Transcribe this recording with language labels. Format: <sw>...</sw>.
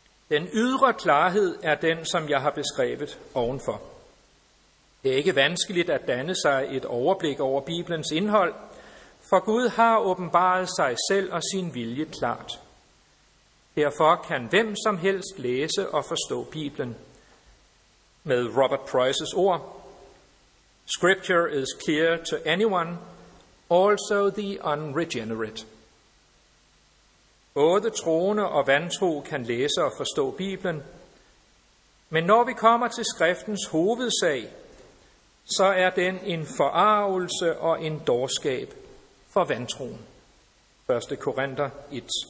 <da>Den ydre klarhed er den, som jeg har beskrevet ovenfor. Det er ikke vanskeligt at danne sig et overblik over Bibelens indhold, for Gud har åbenbaret sig selv og sin vilje klart. Derfor kan hvem som helst læse og forstå Bibelen. Med Robert Preuss' ord,</da> <en>Scripture is clear to anyone, also the unregenerate.</en> <da>Både troende og vantro kan læse og forstå Bibelen. Men når vi kommer til skriftens hovedsag, så er den en forargelse og en dårskab for vantroen. 1. Korinther 1.</da>